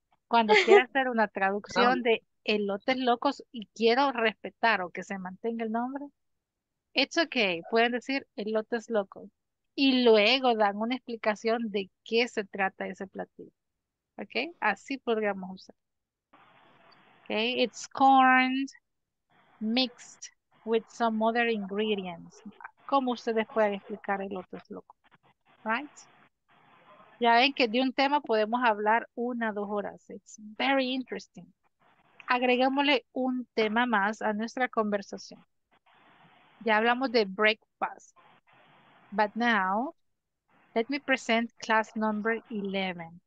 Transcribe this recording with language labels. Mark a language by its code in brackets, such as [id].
[es] Cuando quiera hacer una traducción de elotes locos y quiero respetar o que se mantenga el nombre, [en] it's okay. [es] Pueden decir elotes locos. Y luego dan una explicación de qué se trata ese platillo. ¿Ok? Así podríamos usar. [en] Okay, it's corn mixed with some other ingredients. [es] ¿Cómo ustedes pueden explicar el otro loco? Right? Ya ven que de un tema podemos hablar una o dos horas. [en] It's very interesting. [es] Agregámosle un tema más a nuestra conversación. Ya hablamos de [en] breakfast. But now, let me present class number 11.